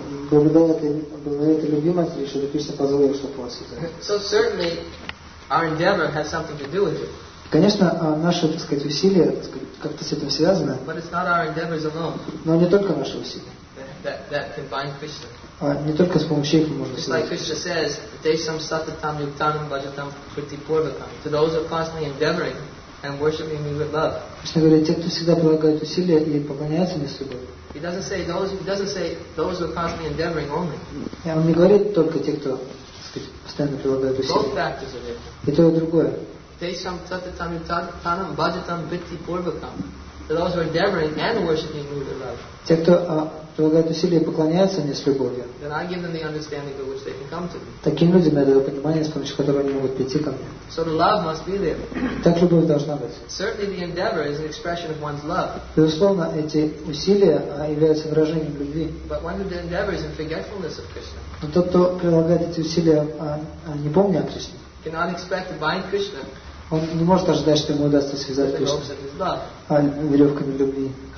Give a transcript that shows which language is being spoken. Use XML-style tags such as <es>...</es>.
<ru>Благодаря этой любви матери Яшоды Кришна позволил, чтобы его связали.</ru> <en>So certainly, our endeavor has something to do with it.</en> <ru>Конечно, наши, так сказать, усилия, так сказать, как-то с этим связаны.</ru> <en>But it's not our endeavors alone.</en> <ru>Но не только наши усилия.</ru> <en>That can bind Krishna.</en> <ru>Не только с помощью их можно связать.</ru> <en>Like Krishna says,</en> <sa>Desham Satatam Yuktanam Bhajatam Priti Purvakam.</sa> <en>To those who are constantly endeavoring and worshiping me with love.</en> <ru>Кришна говорит, те, кто всегда прилагают усилия и поклоняются мне с любовью.</ru> <en>He doesn't say those who are constantly endeavoring only.</en> <ru>Он не говорит только те, кто, так сказать, постоянно прилагают усилия.</ru> <en>Both factors are there.</en> <ru>И то, и другое.</ru> <sa>Desham Satatam Yuktanam Bhajatam Priti Purvakam.</sa> <en>To those who are endeavoring and worshiping me with love.</en> <ru>Те, кто прилагают усилия и поклоняются мне с любовью.</ru> <en>Then I give them the understanding by which they can come to me.</en> <ru>Таким людям я даю понимание, с помощью которого они могут прийти ко мне.</ru> <en>So the love must be there.</en> <ru>Так любовь должна быть.</ru> <en>Certainly the endeavor is an expression of one's love.</en> <ru>Безусловно, эти усилия являются выражением любви.</ru> <en>But one who the endeavor is in forgetfulness of Krishna.</en> <ru>Но тот, кто прилагает эти усилия, не помня о Кришне.</ru> <en>Cannot expect to bind Krishna.</en> <ru>Он не может ожидать, что ему удастся связать Кришну веревками любви.</ru>